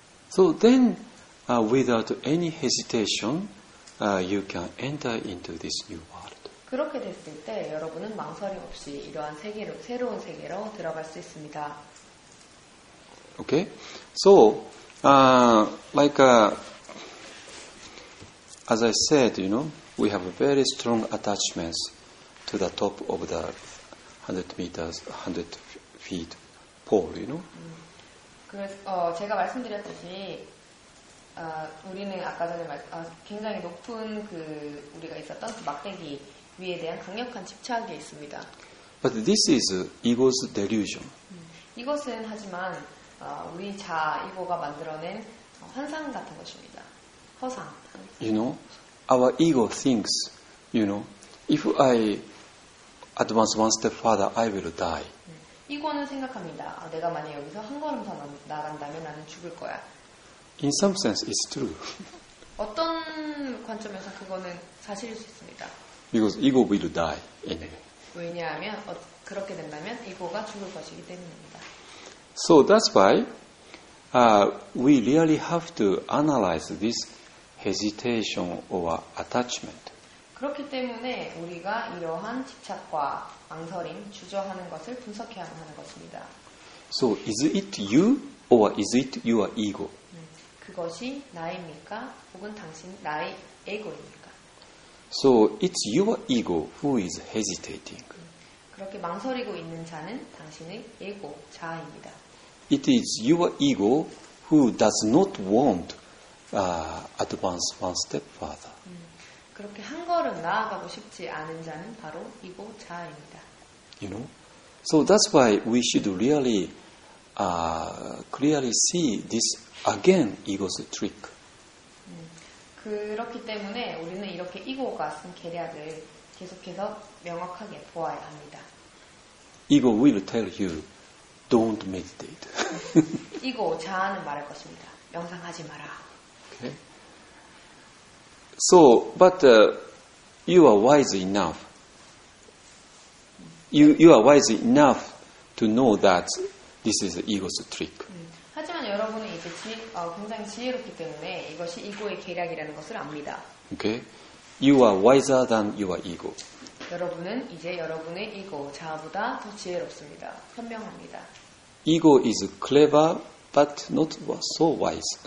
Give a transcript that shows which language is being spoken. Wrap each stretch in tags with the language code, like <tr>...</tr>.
<en>So then, without any hesitation, you can enter into this new world.</en> <ko>그렇게 됐을 때 여러분은 망설임 없이 이러한 세계로 새로운 세계로 들어갈 수 있습니다.</ko> <en>Okay. So, as I said, you know, we have very strong attachments to the top of the 100 feet pole, you know.</en> <ko>제가 말씀드렸듯이 우리는 아까 전에 굉장히 높은 그 우리가 있었던 그 막대기 위에 대한 강력한 집착이 있습니다.</ko> <en>But this is ego's delusion.</en> <ko>이것은 하지만 우리 자아 이거가 만들어낸 환상 같은 것입니다. 허상.</ko> <en>You know, our ego thinks, you know, if I advance one step further, I will die.</en> <ko>이거는 생각합니다. 내가 만약 여기서 한 걸음 더 나간다면 나는 죽을 거야.</ko> <en>In some sense, it's true.</en> <ko>어떤 관점에서 그거는 사실일 수 있습니다.</ko> <en>Because ego will die anyway.</en> <ko>왜냐하면 그렇게 된다면 ego가 죽을 것이기 때문입니다.</ko> <en>So that's why we really have to analyze this hesitation or attachment.</en> <ko>그렇기 때문에 우리가 이러한 집착과 망설임, 주저하는 것을 분석해야 하는 것입니다.</ko> <en>So is it you or is it your ego?</en> <ko>그것이 나입니까? 혹은 당신 나의 에고입니까?</ko> <en>So it's your ego who is hesitating.</en> <ko>그렇게 망설이고 있는 자는 당신의 에고, 자아입니다.</ko> <en>It is your ego who does not want advance one step further.</en> <ko>그렇게 한 걸음 나아가고 싶지 않은 자는 바로 이고 자아입니다.</ko> <en>You know? So that's why we should really clearly see this again ego's trick.</en> <ko>그렇기 때문에 우리는 이렇게 이고가 쓴 계략을 계속해서 명확하게 보아야 합니다.</ko> <en>Ego will tell you don't meditate.</en> <ko>이고 자아는 말할 것입니다. 명상하지 마라.</ko> <en>Okay. So, but you are wise enough. You are wise enough to know that this is ego's trick.</en> <ko>하지만 여러분은 이제 굉장히 지혜롭기 때문에 이것이 ego의 계략이라는 것을 압니다.</ko> <en>Okay. You are wiser than your ego.</en> <ko>여러분은 이제 여러분의 ego, 자아보다 더 지혜롭습니다. 현명합니다.</ko> <en>Ego is clever, but not so wise.</en>